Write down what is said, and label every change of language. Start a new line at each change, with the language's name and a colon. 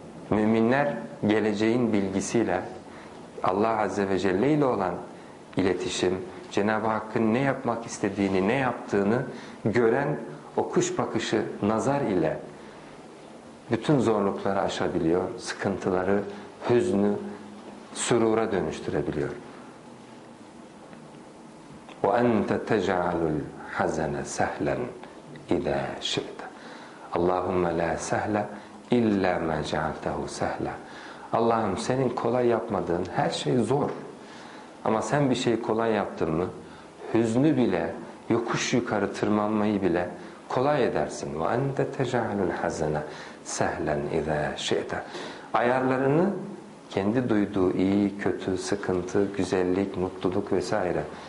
Turkish: Müminler geleceğin bilgisiyle Allah Azze ve Celle ile olan iletişim, Cenab-ı Hakk'ın ne yapmak istediğini, ne yaptığını gören o kuş bakışı nazar ile bütün zorlukları aşabiliyor, sıkıntıları, hüznü sürura dönüştürebiliyor.
Arabic: وَاَنْتَ تَجَعَلُ الْحَزَنَ سَهْلًا اِذَا شِئْتَ اللّٰهُمَّ لَا سَهْلًا اِلَّا مَا جَعَلْتَهُ سَهْلًا
Turkish: Allah'ım senin kolay yapmadığın her şey zor. Ama sen bir şeyi kolay yaptın mı, hüznü bile, yokuş yukarı tırmanmayı bile kolay edersin.
Arabic: وَاَنْتَ تَجَعَلُ الْحَزَنَ سَهْلًا اِذَا شِئْتَ
Turkish: Ayarlarını kendi duyduğu iyi, kötü, sıkıntı, güzellik, mutluluk vesaire.